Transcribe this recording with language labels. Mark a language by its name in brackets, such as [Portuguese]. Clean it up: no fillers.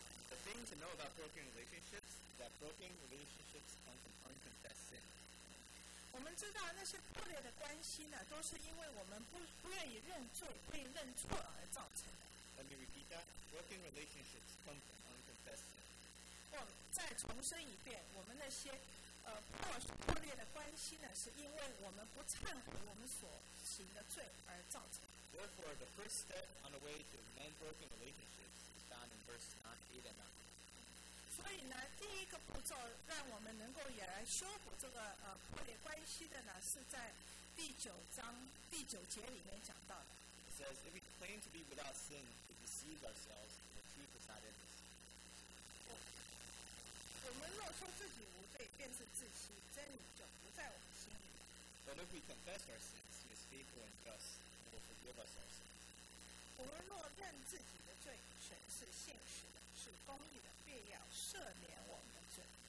[English] The thing to know about broken relationships is that broken relationships come from unconfessed sin. [Chinese] 我们知道那些破裂的关系呢，都是因为我们不愿意认罪、不愿意认错而造成的。 [English] Let me repeat that: broken relationships come from unconfessed sin. [Chinese] 我再重申一遍，我们那些破裂的关系呢，是因为我们不忏悔我们所行的罪而造成的。 [English] Therefore, the first step on the way to mend broken relationships is found in verse 8 and 9. [Chinese] 所以呢，第一个步骤让我们能够也来修补这个破裂关系的呢，是在第九节里面讲到的。 [English] It says, if we claim to be without sin, we deceive ourselves, and the truth is not in us. [Chinese] 我们若说自己无罪，便是自欺，真理就不在我们心里。 [English] But if we confess our sins, He is faithful and just. Forgive us our sins. [Chinese] 我们若认自己的罪，神是信实的，是公义的，便要赦免我们的罪。